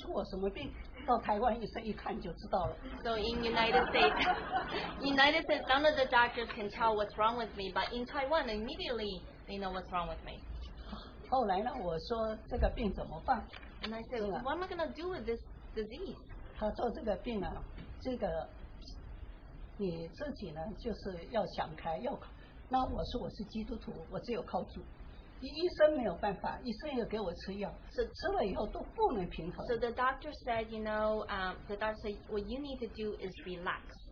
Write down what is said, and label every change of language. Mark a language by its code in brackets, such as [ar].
[en] So in United States, none of the doctors can tell what's wrong with me, but in Taiwan, immediately they know what's wrong with me. [zh] 后来呢，我说这个病怎么办？ [en] And I said, what am I going to do with this disease? [zh] 他说这个病啊，这个你自己呢，就是要想开，要，那我说我是基督徒，我只有靠主。医生没有办法，医生也给我吃药，吃了以后都不能平衡。 [en] So the doctor said, you know, the doctor said, what you need to do is relax.